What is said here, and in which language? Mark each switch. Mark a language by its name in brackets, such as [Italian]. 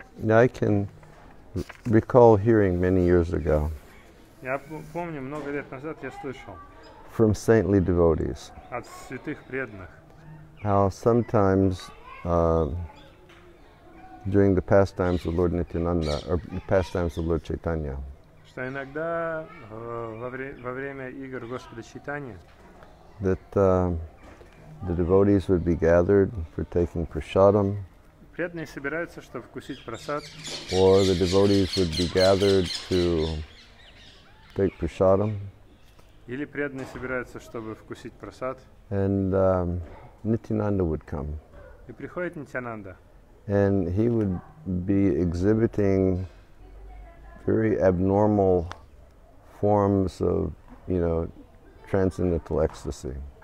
[English] I can recall hearing many years ago. [Russian] Я помню, много лет назад я слышал. [English] From saintly devotees. [Russian] От святых преданных. [English] How sometimes during the pastimes of Lord Nityananda, or the pastimes of Lord Chaitanya. [Russian] Что иногда во время игр Господа Чайтаньи. [English] That the devotees would be gathered for taking prasadam. [Russian] Преданные собираются, чтобы вкусить прасад. [English] Or the devotees would be gathered to take prasadam. [Russian] Или преданные собираются, чтобы вкусить прасад. [English] And Nityananda would come. [Russian] И приходит Нитянанда. [English] And he would be exhibiting very abnormal forms of, you know, transcendental ecstasy.